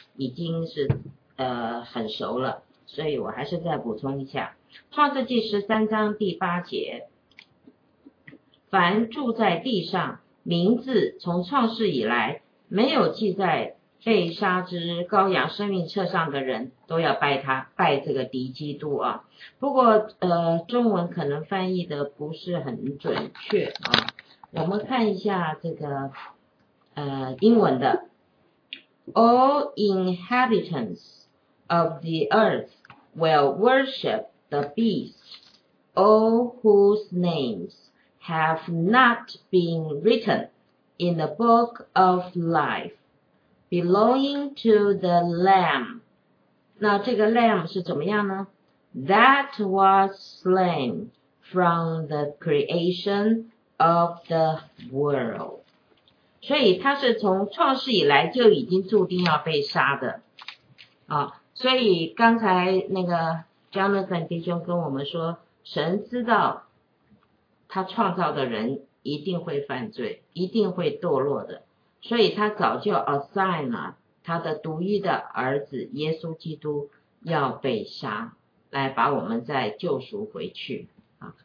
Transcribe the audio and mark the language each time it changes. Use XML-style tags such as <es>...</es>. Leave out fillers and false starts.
<zh>已经是很熟了，所以我还是再补充一下，创世纪十三章第八节，凡住在地上，名字从创世以来没有记在被杀之羔羊生命册上的人，都要拜他，拜这个敌基督啊。不过中文可能翻译的不是很准确啊，我们看一下这个英文的。</zh> <en>All inhabitants of the earth will worship the beast, all whose names have not been written in the book of life, belonging to the lamb.</en> <zh>那这个 lamb 是怎么样呢?</zh> <en>That was slain from the creation of the world.</en> <zh>所以他是从创世以来就已经注定要被杀的啊。所以刚才那个 Jonathan 弟兄跟我们说，神知道他创造的人一定会犯罪，一定会堕落的，所以他早就 assign 了他的独一的儿子耶稣基督要被杀，来把我们再救赎回去啊。</zh>